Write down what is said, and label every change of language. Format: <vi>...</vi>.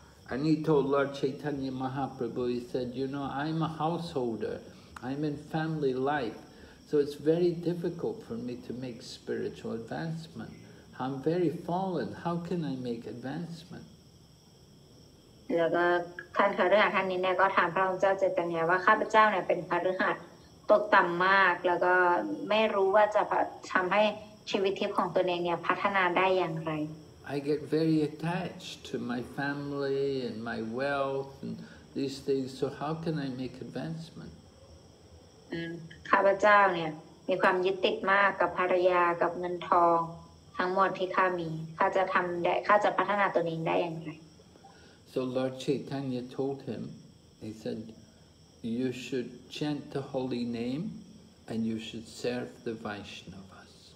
<en>And he told Lord Chaitanya Mahaprabhu, he said, you know, I'm a householder. I'm in family life. So it's very difficult for me to make spiritual advancement. I'm very fallen. How can I make advancement?</en> <th>แล้วก็ท่านคฤหัสถ์ท่านนี้เนี่ยก็ถามพระองค์เจ้าเจตัญญาว่าข้าพเจ้าเนี่ยเป็นคฤหัสถ์ตกต่ำมากแล้วก็ไม่รู้ว่าจะทำให้ชีวิตทิพย์ของตัวเองเนี่ยพัฒนาได้อย่างไร</th> <en>I get very attached to my family and my wealth and these things so how can I make advancement</en> <th>ข้าพเจ้าเนี่ยมีความยึดติดมากกับภรรยากับเงินทองทั้งหมดที่ข้ามีข้าจะทำได้ข้าจะพัฒนาตัวเองได้อย่างไร</th> <en>So Lord Chaitanya told him, he said, you should chant the holy name and you should serve the Vaishnavas.</en>